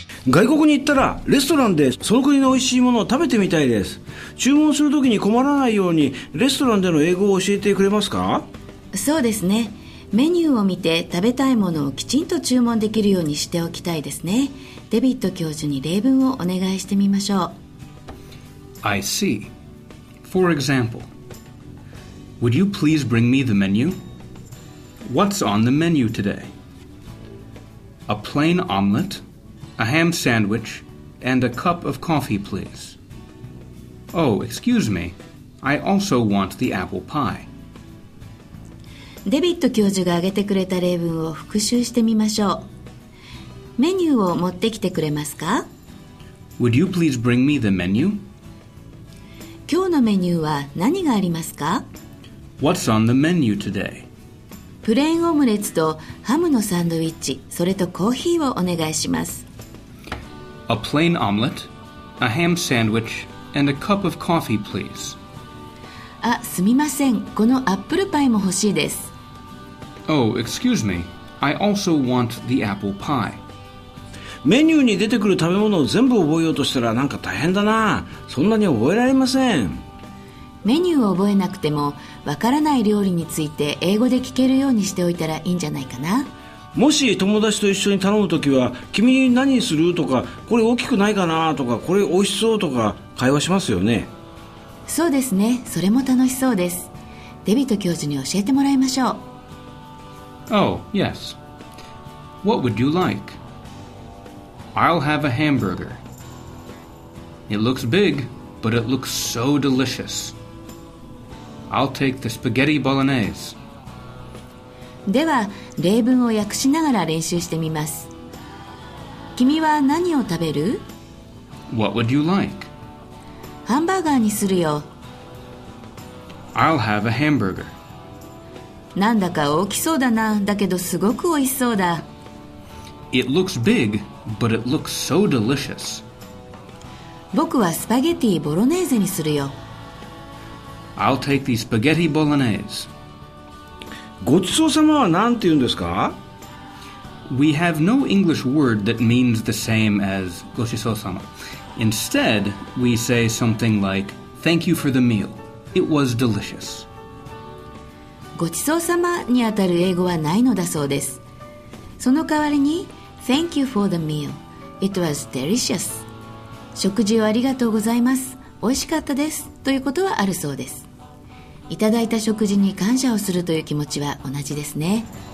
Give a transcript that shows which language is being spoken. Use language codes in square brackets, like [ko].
[ja] 外国に行ったらレストランでその国の美味しいものを食べてみたいです。注文するときに困らないようにレストランでの英語を教えてくれますか？そうですね、メニューを見て食べたいものをきちんと注文できるようにしておきたいですね。デビッド教授に例文をお願いしてみましょう。 [en] I see. For example, would you please bring me the menu? What's on the menu today? A plain omelette, a ham sandwich, and a cup of coffee, please. Oh, excuse me. I also want the apple pie. [ja] デビッド教授が挙げてくれた例文を復習してみましょう。メニューを持ってきてくれますか？ [en] Would you please bring me the menu? [ja] 今日のメニューは何がありますか？ [en] What's on the menu today? [ja] プレーンオムレツとハムのサンドイッチ、それとコーヒーをお願いします。 [en] A plain omelette, a ham sandwich, and a cup of coffee, please. [ja] あ、すみません。このアップルパイも欲しいです。 [en] Oh, excuse me. I also want the apple pie. [ja] メニューに出てくる食べ物を全部覚えようとしたらなんか大変だな。そんなに覚えられません。メニューを覚えなくても、わからない料理について英語で聞けるようにしておいたらいいんじゃないかな。もし友達と一緒に頼むときは、君何するとか、これ大きくないかなとか、これ美味しそうとか会話しますよね。そうですね、それも楽しそうです。デビット教授に教えてもらいましょう。 [en] Oh, yes. What would you like? I'll have a hamburger. It looks big, but it looks so delicious. I'll take the spaghetti bolognese. [ja] では例文を訳しながら練習してみます。君は何を食べる？ [en] What would you like? [ja] ハンバーガーにするよ。 [en] I'll have a hamburger. [ja] なんだか大きそうだな。だけどすごくおいしそうだ。 [en] It looks big, but it looks so delicious. [ja] 僕はスパゲティボロネーゼにするよ。 [en] I'll take the spaghetti bolognese. [ja] ごちそうさまはなんて言うんですか？ [en] We have no English word that means the same as ごちそうさま。 Instead, we say something like, Thank you for the meal. It was delicious. [ja] ごちそうさまにあたる英語はないのだそうです。その代わりに [en] Thank you for the meal. It was delicious. [ja] 食事をありがとうございます、美味しかったですということはあるそうです。いただいた食事に感謝をするという気持ちは同じですね。